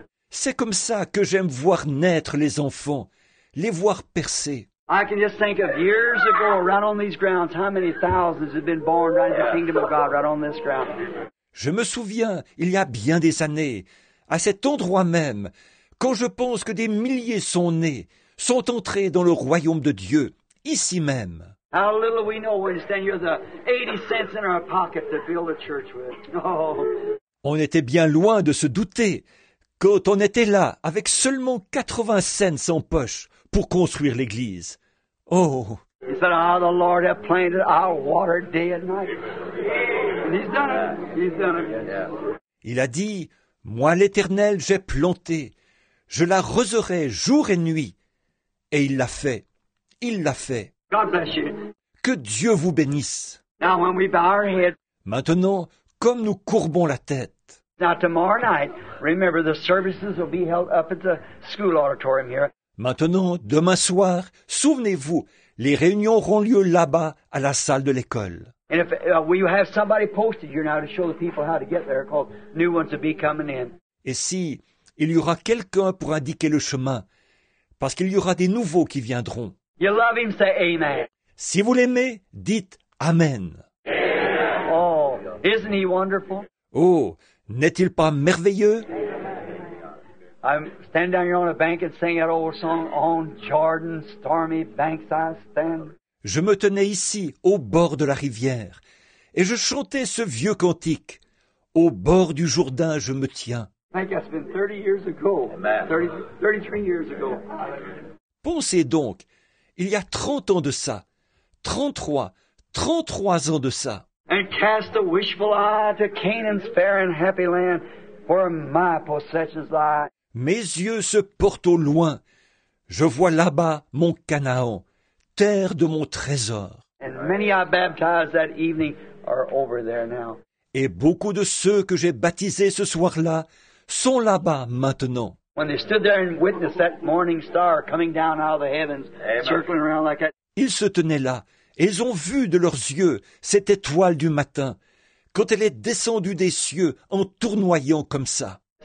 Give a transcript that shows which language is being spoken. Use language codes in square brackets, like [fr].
[fr] C'est comme ça que j'aime voir naître les enfants, les voir percer. [en] I can just think of years ago, right on these grounds, how many thousands have been born right in the kingdom of God, right on this ground. [fr] Je me souviens, il y a bien des années, à cet endroit même, quand je pense que des milliers sont nés, sont entrés dans le royaume de Dieu, ici même. [en] How little we know when you stand here, the 80 cents in our pocket to build a church with. Oh. [fr] On était bien loin de se douter quand on était là avec seulement 80 cents en poche pour construire l'église. Oh! [en] He said, ah, the Lord have planted our water day and night. And he's done it. He's done it. [fr] Il a dit, moi l'Éternel j'ai planté, je l'arroserai jour et nuit. Et il l'a fait. Il l'a fait. [en] God bless you. [fr] Que Dieu vous bénisse. [en] Now when we bow our head. [fr] Maintenant, comme nous courbons la tête, [en] now tomorrow night, remember the services will be held up at the school auditorium here. [fr] Maintenant, demain soir, souvenez-vous, les réunions auront lieu là-bas à la salle de l'école. [en] And if we have somebody posted here now to show the people how to get there, because new ones will be coming in. [fr] Et si il y aura quelqu'un pour indiquer le chemin, parce qu'il y aura des nouveaux qui viendront. [en] You love him, say amen. [fr] Si vous l'aimez, dites amen. [en] Oh, isn't he wonderful? Oh. [fr] N'est-il pas merveilleux? [en] I'm standing down here on a bank and singing that old song, On Jordan's stormy banks I stand. [fr] Je me tenais ici, au bord de la rivière, et je chantais ce vieux cantique, Au bord du Jourdain je me tiens. [en] Thank you, it's been 30 years ago. 33 years ago. [fr] Pensez donc, il y a 30 ans de ça, 33 ans de ça. [en] And cast a wishful eye to Canaan's fair and happy land, where my possessions lie. [fr] Mes yeux se portent au loin. Je vois là-bas mon Canaan, terre de mon trésor. [en] And many I baptized that evening are over there now. [fr] Et beaucoup de ceux que j'ai baptisés ce soir-là sont là-bas maintenant. [en] When they stood there and witnessed that morning star coming down out of the heavens, amen, circling around like that. [fr] Ils se tenaient là. Et ils ont vu de leurs yeux cette étoile du matin, quand elle est descendue des cieux en tournoyant comme ça.